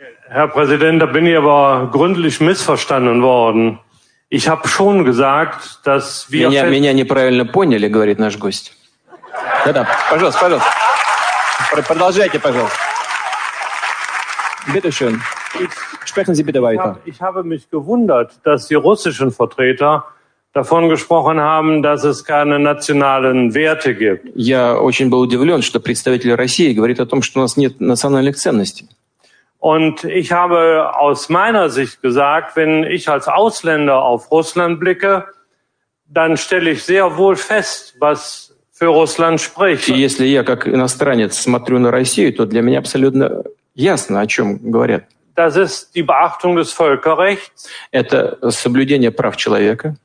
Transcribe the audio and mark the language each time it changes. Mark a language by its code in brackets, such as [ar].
[de] Herr Präsident, da bin ich aber gründlich missverstanden worden. Ich habe schon gesagt, dass wir... [ru] Меня неправильно поняли, говорит наш гость. Да-да, пожалуйста. Продолжайте, пожалуйста. [de] Bitte schön. Sprechen Sie bitte weiter. Ich habe mich gewundert, dass die russischen Vertreter davon gesprochen haben, dass es keine nationalen Werte gibt. [ru] Я очень был удивлен, что представитель России говорит о том, что у нас нет национальных ценностей. [de] Und ich habe aus meiner Sicht gesagt, wenn ich als Ausländer auf Russland blicke, dann stelle ich sehr wohl fest, was für Russland spricht. [ru] Если я как иностранец смотрю на Россию, то для меня абсолютно ясно, о чем говорят. [de] Das ist die Beachtung des Völkerrechts. [ru] Это соблюдение прав человека.